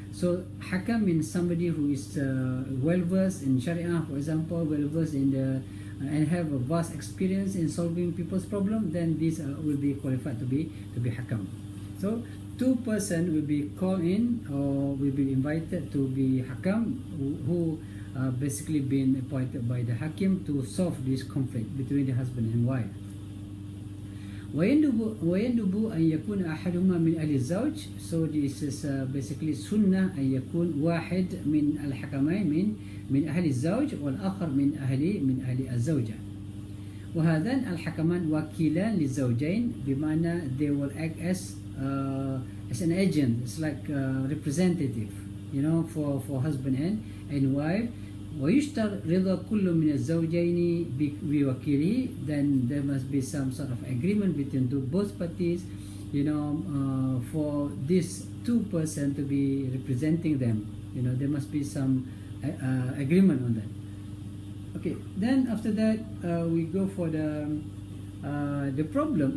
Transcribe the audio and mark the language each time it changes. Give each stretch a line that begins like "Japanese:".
English: So hakam means somebody who is well versed in Sharia, for example, well versed in the and have a vast experience in solving people's problem. Then these will be qualified to be hakam. So two person will be called in or will be invited to be hakam who basically been appointed by the hakim to solve this conflict between the husband and wife.
Arabic: ويندب أن يكون أحدهما من أهل الزوج.
English: So this is basically
Arabic: سنة أن يكون واحد من الحكمين من أهل الزوج والآخر من أهل الزوجة. وهذان الحكمان وكيلان للزوجين بمعنى
English: they will act as an agent. It's like a representative, you know, for husband and wife.
Arabic: ويشتر رضا كل من الزوجين بوكيله.
English: Then there must be some sort of agreement between the both parties, you know, for these two person to be representing them. You know, there must be some agreement on that. Okay. Then after that, we go for the problem.